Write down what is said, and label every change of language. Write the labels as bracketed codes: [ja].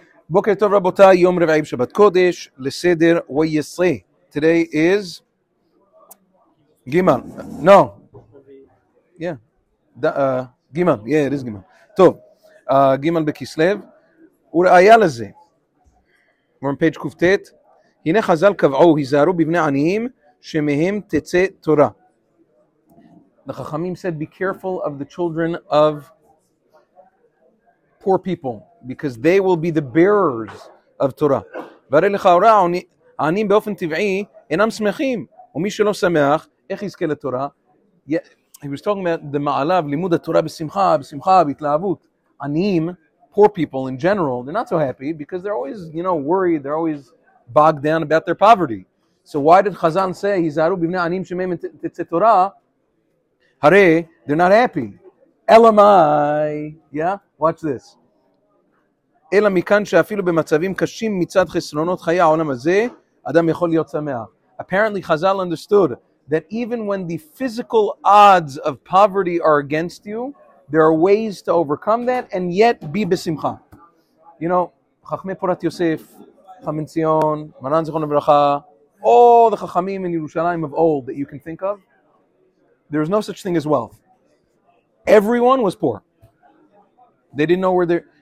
[he] בוקר טוב רבותיי, יום רביעי בשבת קודש, לסדר ויסי. [en] Today is גימל. No. Yeah. גימל. Yeah, it is גימל. טוב. גימל בכסלב. [he] וראיה לזה. [en] We're on page קופטט. [he] הנה חזל קבעו, היזהרו בבני עניים שמהם תצא תורה. [en] החכמים said, be careful of the children of poor people, because they will be the bearers of Torah. [he] והרי לכאורה, העניים באופן טבעי אינם שמחים, ומי שלא שמח, איך יזכה לתורה? [en] He was talking about the מעלה, [he] לימוד התורה בשמחה, בשמחה, בהתלהבות. [en] עניים, poor people in general, they're not so happy, because they're always, you know, worried, they're always bogged down about their poverty. So why did Chazan say, [he] היזהרו בבני עניים שמהם תצא תורה? [en] הרי, they're not happy. אלמי, yeah? Watch this. [he] אלא מכאן שאפילו במצבים קשים מצד חסרונות חיי העולם הזה, אדם יכול להיות שמח. [en] Apparently, Chazal understood that even when the physical odds of poverty are against you, there are ways to overcome that and yet be בשמחה. You know, חכמי פורת יוסף, חכמים ציון, מרן זכרון לברכה, all the חכמים in Yerushalayim of old that you can think of, there is no such thing as wealth. Everyone was poor. They didn't know where they're...